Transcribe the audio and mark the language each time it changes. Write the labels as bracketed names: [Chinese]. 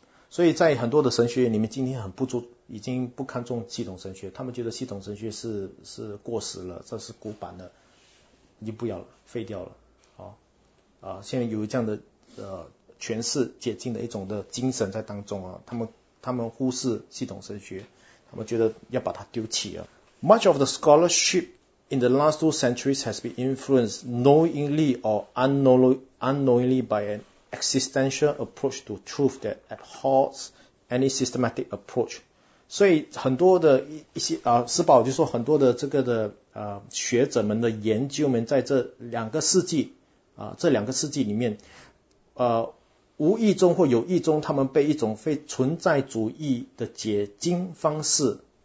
[Chinese] 所以在很多的神学院里面，今天已经不看重系统神学，他们觉得系统神学是过时了，这是古板的，已经不要了，废掉了。现在有这样的诠释解经的一种的精神在当中他们忽视系统神学，他们觉得要把它丢弃了。 [English] Much of the scholarship in the last two centuries has been influenced knowingly or unknowingly by an existential approach to truth that abhors any systematic approach. [Chinese] 所以很多的斯宝就说很多的这个的学者们的研究们在这两个世纪这两个世纪里面无意中或有意中，他们被一种非存在主义的解经方式